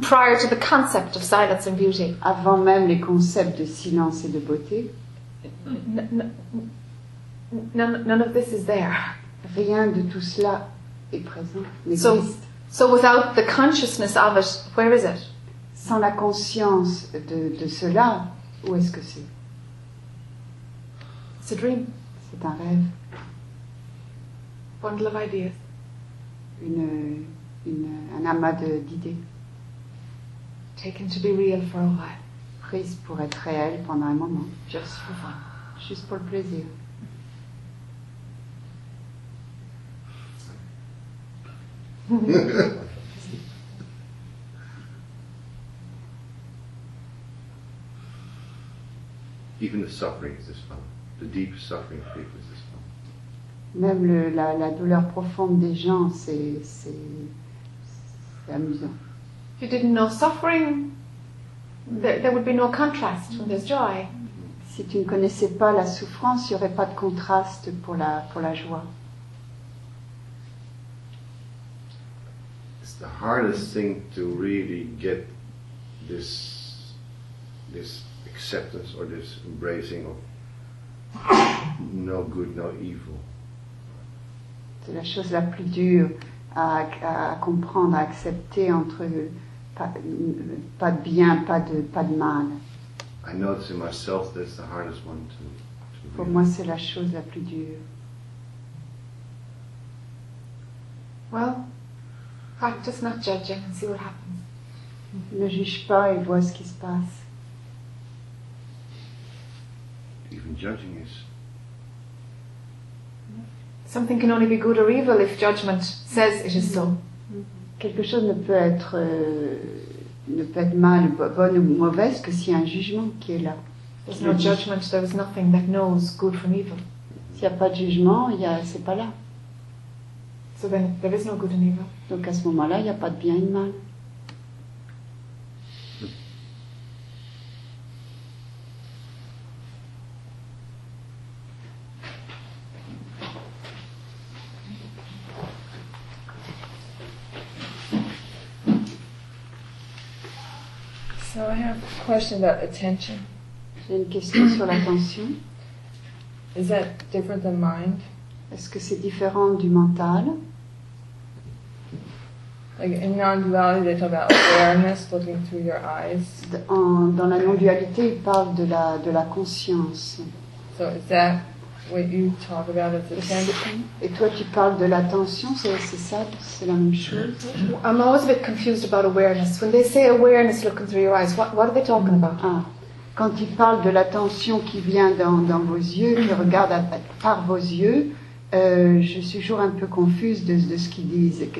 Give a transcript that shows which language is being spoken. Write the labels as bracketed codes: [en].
[en] prior to the concept of silence and beauty, [fr] avant même les concepts de silence et de beauté, [en] none of this is there. [fr] Rien de tout cela est présent. [en] So without the consciousness of it, where is it? [fr] Sans la conscience de cela, où est-ce que c'est? [en] It's a dream. [fr] C'est un rêve. [en] Bundle of ideas. [fr] Un amas d'idées. [en] Taken to be real for a while. [fr] Prise pour être réelle pendant un moment. [en] Just for fun. [fr] Juste pour le plaisir. [en] Even the suffering is this fun. The deep suffering of people is this fun. [fr] Même la douleur profonde des gens, c'est amusant. [en] If you didn't know suffering, there would be no contrast when there's joy. [fr] Si tu ne connaissais pas la souffrance, il n'y aurait pas de contraste pour la joie. [en] the hardest thing to really get this acceptance or this embracing of no good, no evil. [fr] C'est la chose la plus dure à comprendre, à accepter entre pas de bien, pas de mal. [en] I notice in myself that's the hardest one to read. [fr] Pour moi, c'est la chose la plus dure. [en] Well, practice not judging and see what happens. [fr] Ne juge pas et vois ce qui se passe. [en] Even judging is. Something can only be good or evil if judgment says it is so. [fr] Quelque chose ne peut être mal, bonne ou mauvaise que s'il y a un jugement qui est là. [en] There's no judgment, there is nothing that knows good from evil. [fr] S'il n'y a pas de jugement, c'est pas là. [en] So then there is no good and evil. [fr] Donc à ce moment-là, il n'y a pas de bien et de mal. [en] So I have a question about attention. [fr] J'ai une question sur l'attention. [en] Is that different than mind? [fr] Est-ce que c'est différent du mental? [en] Like in non-duality, they talk about awareness, looking through your eyes. [fr] Dans la non-dualité, ils parlent de la conscience. [en] So is that what you talk about as attention? [fr] Et toi, tu parles de l'attention, c'est ça, c'est la même chose. [en] I'm always a bit confused about awareness. When they say awareness looking through your eyes, what are they talking about? [fr] Ah, quand ils parlent de l'attention qui vient dans vos yeux, qui regarde par vos yeux, je suis toujours un peu confuse de ce qu'ils disent.